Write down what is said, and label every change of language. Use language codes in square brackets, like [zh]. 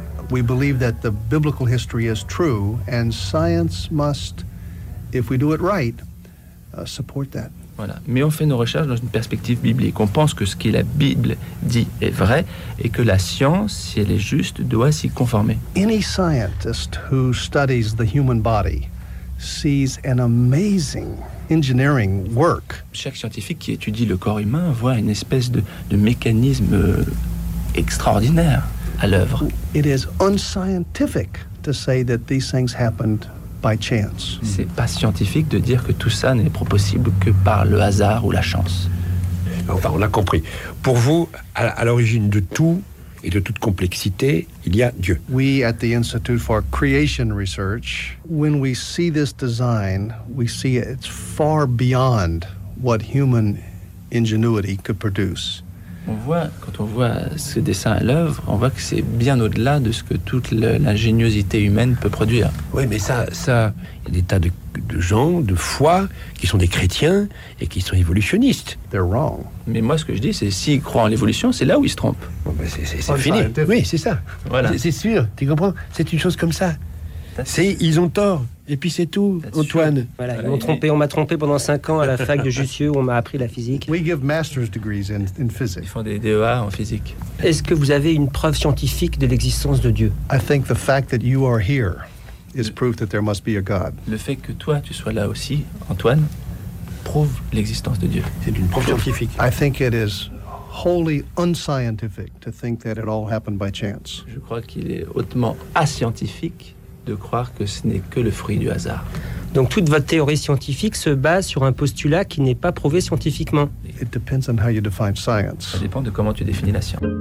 [en] We believe that the biblical history is true, and science must, if we do it right, support that. [fr] Voilà. Mais on fait nos recherches dans une perspective biblique. On pense que ce que la Bible dit est vrai et que la science, si elle est juste, doit s'y conformer. [en] Any scientist who studies the human body sees an amazing engineering work. [fr] Chaque scientifique qui étudie le corps humain voit une espèce de mécanisme extraordinaire à l'œuvre. [en] It is unscientific to say that these things happened by chance. [fr] C'est pas scientifique de dire que tout ça n'est possible que par le hasard ou la chance. Enfin, on l'a compris. Pour vous, à l'origine de tout et de toute complexité, il y a Dieu. [en] We at the Institute for Creation Research, when we see this design, we see it's far beyond what human ingenuity could produce. [fr] On voit, quand on voit ce dessin à l'œuvre, on voit que c'est bien au-delà de ce que toute l'ingéniosité humaine peut produire. Oui, mais ça, il y a des tas de gens, de foi, qui sont des chrétiens et qui sont évolutionnistes. [en] They're wrong. [fr] Mais moi, ce que je dis, c'est s'ils croient en l'évolution, c'est là où ils se trompent. Bon, ben c'est fini. Oui, c'est ça. Voilà. C'est sûr, tu comprends? C'est une chose comme ça. C'est, ils ont tort. Et puis c'est tout, [en] that's [fr] Antoine. True. Voilà, ils m'ont trompé. On m'a trompé pendant 5 ans à la fac de Jussieu, où on m'a appris la physique. [en] We give master's degrees in physics. [fr] Ils font des DEA en physique. Est-ce que vous avez une preuve scientifique de l'existence de Dieu? [en] I think the fact that you are here is proof that there must be a God. [fr] Le fait que toi, tu sois là aussi, Antoine, prouve l'existence de Dieu. C'est une preuve scientifique. [en] I think it is wholly unscientific to think that it all happened by chance. [fr] Je crois qu'il est hautement ascientifique de croire que ce n'est que le fruit du hasard. Donc toute votre théorie scientifique se base sur un postulat qui n'est pas prouvé scientifiquement. [en] It depends on how you define science. [fr] Ça dépend de comment tu définis la science.